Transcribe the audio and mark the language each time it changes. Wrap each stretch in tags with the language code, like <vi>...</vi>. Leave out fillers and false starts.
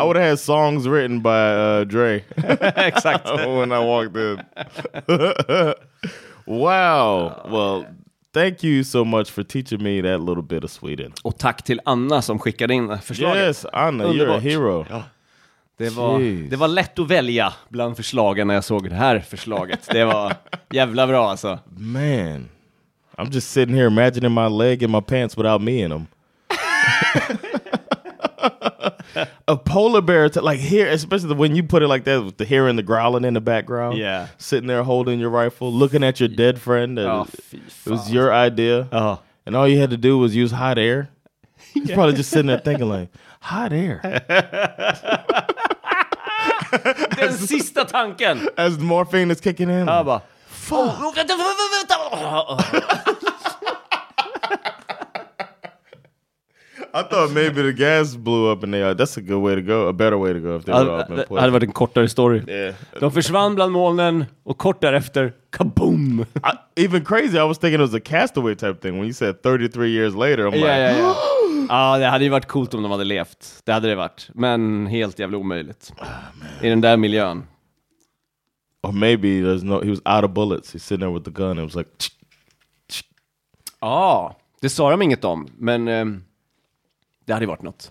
<en>I would have had songs written by Dre.</en> <sv>Exakt.</sv> <en>When I walked in. Wow. Well, thank you so much for teaching me that little bit of Sweden.</en> <sv>Och tack till Anna som skickade in förslaget.</sv> <en>Yes, Anna, underbart. You're a hero.</en> <sv>Ja. Det var lätt att välja bland förslagen när jag såg det här förslaget. Det var jävla bra alltså.</sv> <en>Man, I'm just sitting here imagining my leg and my pants without me in them. A polar bear, like here, especially when you put it like that, with the hearing the growling in the background. Yeah. Sitting there holding your rifle, looking at your dead friend. Oh, it was your idea. Oh. And all you had to do was use hot air. He's yeah. probably just sitting there thinking like, hot air.</en> <sv>Den sista tanken.</sv> <en>As the morphine is kicking in. Abba. Fuck. I thought maybe the gas blew up in the yard. That's a good way to go. A better way to go if they blew up.</en> <sv>Det hade varit en kortare story.</sv> <en>Yeah.</en> <sv>De försvann bland molnen och kort därefter, kaboom.</sv> <en>Even crazy, I was thinking it was a castaway type thing. When you said 33 years later, I'm like...</en> <sv>Yeah, yeah. Ah, det hade ju varit coolt om de hade levt. Det hade det varit. Men helt jävla omöjligt.</sv> <en>Oh,</en> <sv>i den där miljön.</sv> <en>Or maybe there's no, he was out of bullets. He's sitting there with the gun. It was like... Tsk, tsk.</en> <sv>Ah, det sa de inget om. Men det hade ju varit något.</sv>